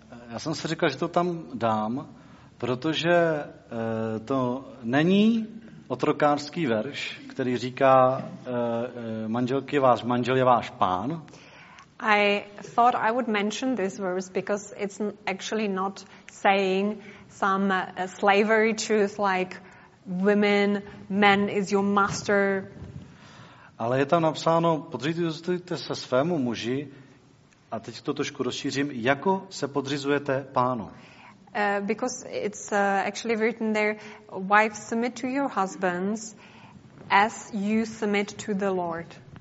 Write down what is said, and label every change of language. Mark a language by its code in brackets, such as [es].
[cs] Já jsem si říkal, že to tam dám, protože to není otrokářský verš, který říká manželky, váš manžel je váš pán. [en] I thought I would mention this verse because it's actually not saying some slavery truth like women, men is your master. [cs] Ale je tam napsáno, podřizujte se svému muži, a teď to trošku rozšířím, jako se podřizujete Pánu. [en] Because it's actually written there, wives submit to your husbands as you submit to the Lord.